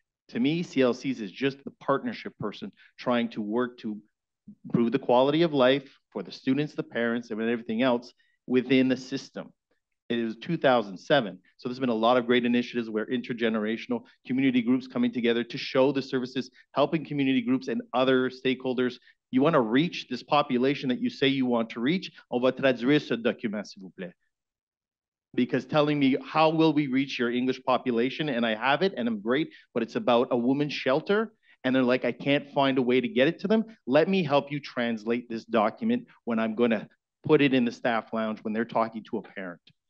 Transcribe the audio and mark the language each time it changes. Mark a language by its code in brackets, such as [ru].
[en] To me, CLCs is just the partnership person trying to work to improve the quality of life for the students, the parents, and everything else within the system. It is 2007. So there's been a lot of great initiatives where intergenerational community groups coming together to show the services, helping community groups and other stakeholders. You want to reach this population that you say you want to reach. [fr] On va traduire ce document, s'il vous plaît. [en] Because telling me how will we reach your English population, and I have it and I'm great, but it's about a woman's shelter, and they're like, I can't find a way to get it to them. Let me help you translate this document when I'm going to put it in the staff lounge when they're talking to a parent.